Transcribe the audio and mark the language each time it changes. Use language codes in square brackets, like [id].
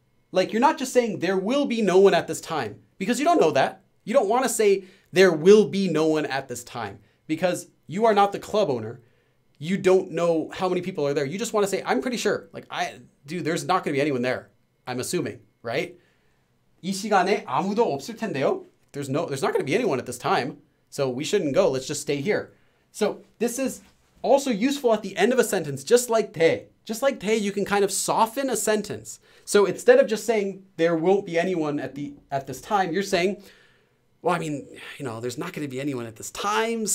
[en] Like, you're not just saying there will be no one at this time, because you don't know that. You don't want to say there will be no one at this time because you are not the club owner. You don't know how many people are there. You just want to say, I'm pretty sure. Like, I, dude, there's not going to be anyone there. I'm assuming, right? [ko] 이 시간에 아무도 없을 텐데요. [en] There's not going to be anyone at this time. So we shouldn't go. Let's just stay here. So this is also useful at the end of a sentence, just like 대. Just like 대, you can kind of soften a sentence. So instead of just saying there won't be anyone at this time, you're saying, well, I mean, you know, there's not going to be anyone at this time.